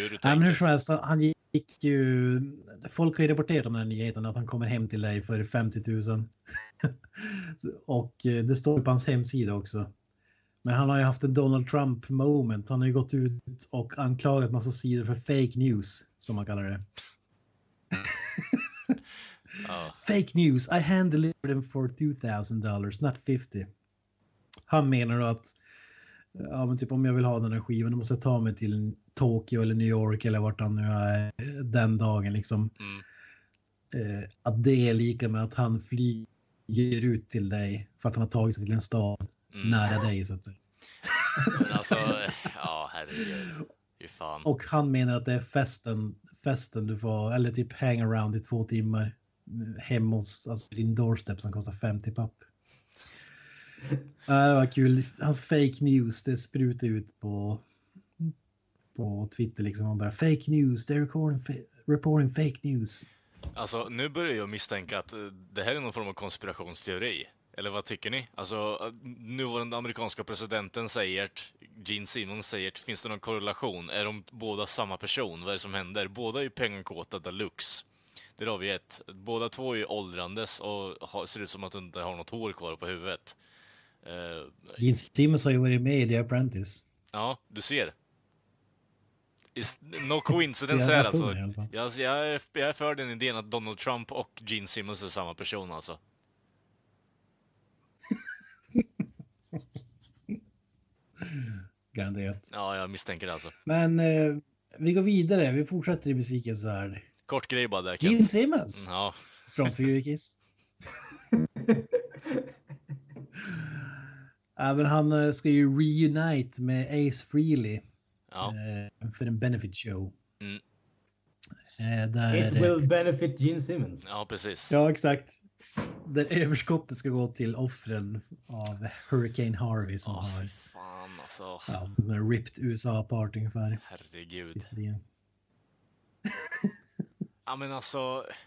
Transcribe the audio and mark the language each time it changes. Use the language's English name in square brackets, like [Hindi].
[Swedish] hur du tänker. Nej, men hur som helst, han gick ju, folk har ju rapporterat om den här nyheten att han kommer hem till dig för 50 000. Och det står ju på hans hemsida också. Men han har ju haft en Donald Trump moment. Han har ju gått ut och anklagat massa sidor för fake news, som man kallar det. [English] Fake news. I hand delivered them for $2,000, not 50. [Swedish] Han menar då att ja, men typ om jag vill ha den här skivan då måste jag ta mig till Tokyo eller New York eller vart han nu är den dagen liksom. Mm. Att det är lika med att han flyger ut till dig för att han har tagit sig till en stad nära dig. Så att... Alltså, ja, herregud. Hur fan. Och han menar att det är festen du får, eller typ [English] hang around [Swedish] i 2 timmar hemma hos, alltså din doorstep som kostar 50 papp. Det var kul. Hans fake news, det sprutade ut på Twitter liksom. Han bara, [English] fake news, they're reporting fake news. [Swedish] Alltså, nu börjar jag misstänka att det här är någon form av konspirationsteori. Eller vad tycker ni? Alltså, nuvarande amerikanska presidenten säger att Gene Simmons säger att finns det någon korrelation? Är de båda samma person? Vad är det som händer? Båda är ju pengakåta deluxe. Det har vi ett. Båda två är ju åldrandes och ser ut som att de inte har något hår kvar på huvudet. Gene Simmons har ju varit med i The Apprentice. Ja, du ser. [English] It's no coincidence [Swedish] här alltså. Jag är för den idén att Donald Trump och Gene Simmons är samma person alltså. Garanterat. Ja, jag misstänker det alltså. Men vi går vidare, vi fortsätter i musikens värld. Kort grej bara där, Gene Simmons. Ja. [English] From Three Kiss. [Swedish] Även han ska ju reunite med Ace Frehley för en benefit show. [English] It will benefit Gene Simmons. [Swedish] Ja, precis. Ja, exakt. Där överskottet ska gå till offren av Hurricane Harvey som har... Fan, alltså. Ja, som har [English] ripped USA apart [Swedish] ungefär. Herregud. Ja, men alltså...